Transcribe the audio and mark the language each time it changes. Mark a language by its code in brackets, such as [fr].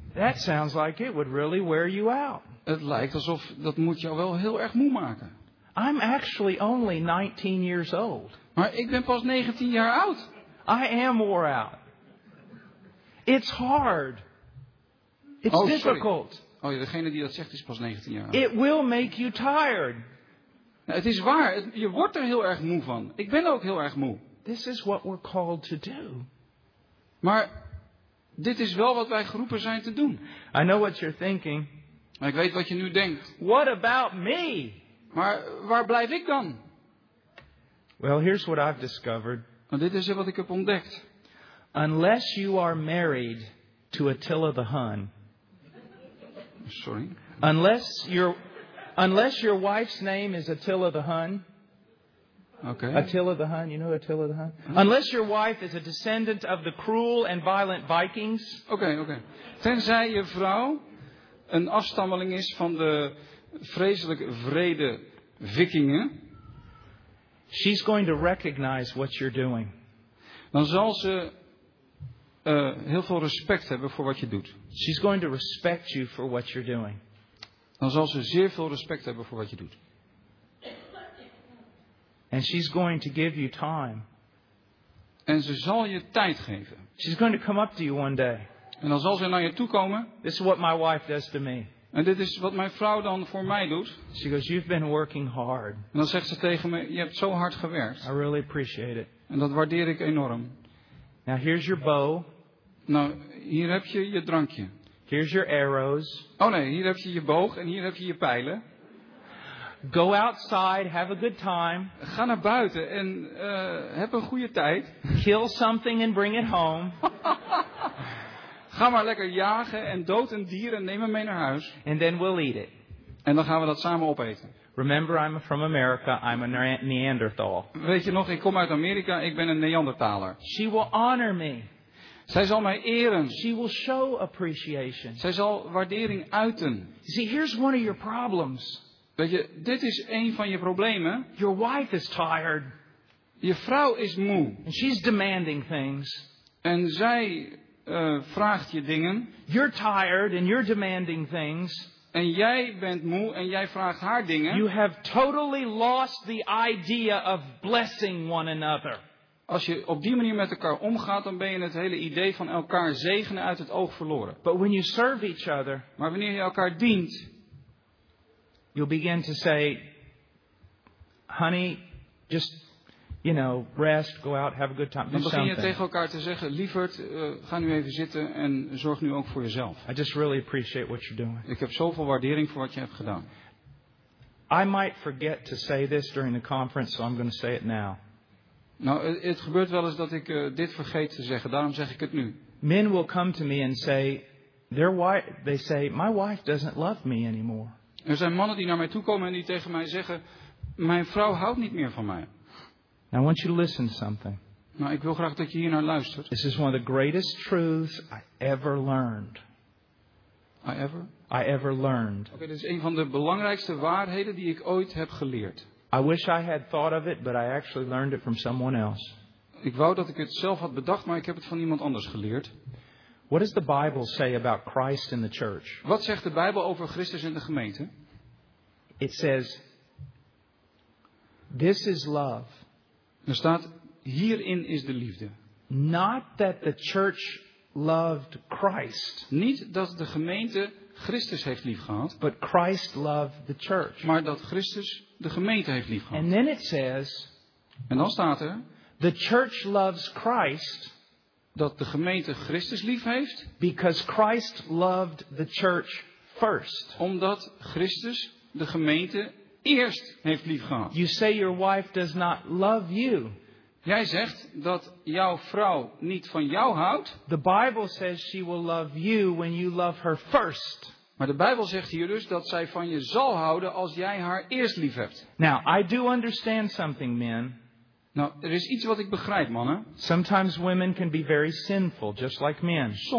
[en] That sounds like it would really wear you out. [nl] Het lijkt alsof dat moet jou wel heel erg moe maken. [en] I'm actually only 19 years old. [nl] Maar ik ben pas 19 jaar oud. [en] I am wore out. It's hard. It's difficult. [nl] Sorry. Oh, degene die dat zegt is pas 19 jaar oud. [en] It will make you tired. [nl] Nou, het is waar. Je wordt er heel erg moe van. Ik ben ook heel erg moe. [en] This is what we're called to do. [nl] Maar dit is wel wat wij geroepen zijn te doen. [en] I know what you're thinking. [nl] Ik weet wat je nu denkt. [en] What about me? [nl] Maar waar blijf ik dan? [en] Well, here's what I've discovered. [nl] Maar dit is wat ik heb ontdekt. [en] Unless you are married to Attila the Hun. Sorry. Unless your wife's name is Attila the Hun. Okay. Attila the Hun, you know Attila the Hun? Unless your wife is a descendant of the cruel and violent Vikings. Okay. [nl] Tenzij je vrouw een afstammeling is van de vreselijk wrede Vikingen. [en] She's going to recognize what you're doing. [nl] Dan zal ze heel veel respect hebben voor wat je doet. [en] She's going to respect you for what you're doing. [nl] Dan zal ze zeer veel respect hebben voor wat je doet. [en] And she's going to give you time. [nl] En ze zal je tijd geven. [en] She's going to come up to you one day. [nl] En dan zal ze naar je toe komen. [en] This is what my wife does to me. [nl] En dit is wat mijn vrouw dan voor mij doet. [en] She goes, you've been working hard. [nl] En dan zegt ze tegen me, je hebt zo hard gewerkt. [en] I really appreciate it. [nl] En dat waardeer ik enorm. [en] Now here's your bow. [nl] Nou, hier heb je je drankje. [en] Here's your arrows. [nl] Oh nee, hier heb je je boog en hier heb je je pijlen. [en] Go outside, have a good time. [nl] Ga naar buiten en heb een goede tijd. [en] Kill something and bring it home. [nl] Ga maar lekker jagen en dood een dier en neem hem mee naar huis. [en] And then we'll eat it. [nl] En dan gaan we dat samen opeten. [en] Remember, I'm from America. I'm a Neanderthal. [nl] Weet je nog, ik kom uit Amerika. Ik ben een Neandertaler. [en] She will honor me. [nl] Zij zal mij eren. [en] She will show appreciation. [nl] Zij zal waardering uiten. [en] See, here's one of your problems. [nl] Weet je, dit is een van je problemen. [en] Your wife is tired. [nl] Je vrouw is moe. [en] And she's demanding things. [nl] En zij vraagt je dingen. [en] You're tired and you're demanding things. [nl] En jij bent moe en jij vraagt haar dingen. [en] You have totally lost the idea of blessing one another. [nl] Als je op die manier met elkaar omgaat, dan ben je het hele idee van elkaar zegenen uit het oog verloren. [en] But when you serve each other, [nl] maar wanneer je elkaar dient, [en] you'll begin to say, honey, just, you know, rest, go out, have a good time. [nl] Dan begin je tegen elkaar te zeggen, lieverd, ga nu even zitten en zorg nu ook voor jezelf. [en] I just really appreciate what you're doing. [nl] Ik heb zoveel waardering voor wat je hebt gedaan. [en] I might forget to say this during the conference, so I'm going to say it now. [nl] Nou, het gebeurt wel eens dat ik dit vergeet te zeggen, daarom zeg ik het nu. [en] Men will come to me and say, they say, my wife doesn't love me anymore. [nl] Er zijn mannen die naar mij toe komen en die tegen mij zeggen, mijn vrouw houdt niet meer van mij. [en] I want you to listen to something. [nl] Nou, ik wil graag dat je hier naar luistert. [en] This is one of the greatest truths I ever learned. I ever learned. [nl] Oké, dit is een van de belangrijkste waarheden die ik ooit heb geleerd. [en] I wish I had thought of it, but I actually learned it from someone else. [nl] Ik wou dat ik het zelf had bedacht, maar ik heb het van iemand anders geleerd. [en] What does the Bible say about Christ and the church? [nl] Wat zegt de Bijbel over Christus en de gemeente? [en] It says, "This is love." [nl] Er staat: hierin is de liefde. [en] Not that the church loved Christ. [nl] Niet dat de gemeente Christus heeft lief gehad. [en] But Christ loved the church. [nl] Maar dat Christus de gemeente heeft lief gehad. [en] And then it says, [nl] en dan staat er: [en] the church loves Christ. [nl] Dat de gemeente Christus lief heeft. [en] Because Christ loved the church first. [nl] Omdat Christus de gemeente eerst heeft lief gehad. [en] You say your wife does not love you. [nl] Jij zegt dat jouw vrouw niet van jou houdt. [en] The Bible says she will love you when you love her first. [nl] Maar de Bijbel zegt hier dus dat zij van je zal houden als jij haar eerst lief hebt. [en] Now, I do understand something, men. [nl] Nou, er is iets wat ik begrijp, mannen. [en] Sometimes women can be very sinful, just like men.